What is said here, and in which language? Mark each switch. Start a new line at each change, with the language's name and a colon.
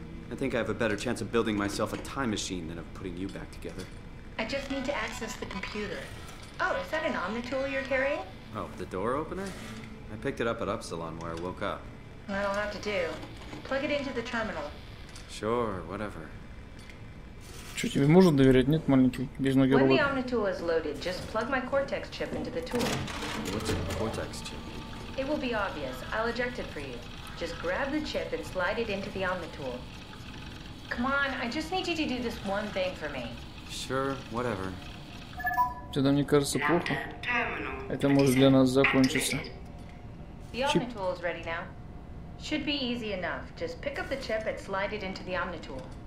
English: I think I have a better chance of building myself a time machine than of putting you back together. I just need to access the computer. Oh, is that an Omnitool you're carrying? Oh, the door opener? I picked it up at Upsilon where I woke up. That'll have to do. Plug it into the terminal. Sure, whatever.
Russian: Что, тебе можно доверять? Нет, маленький, без ноги робот.
English: When the Omnitool is loaded, just plug my Cortex chip into the tool. What's a Cortex chip? It will be obvious. I'll eject it for you. Just grab the chip and slide it into the Omnitool. Come on, I just need you to do this one thing for me. Sure, whatever.
Russian: Что-то мне кажется плохо. Это может для нас закончиться.
English: The Omnitool is ready now. Should be easy enough. Just pick up the chip and slide it into the Omnitool.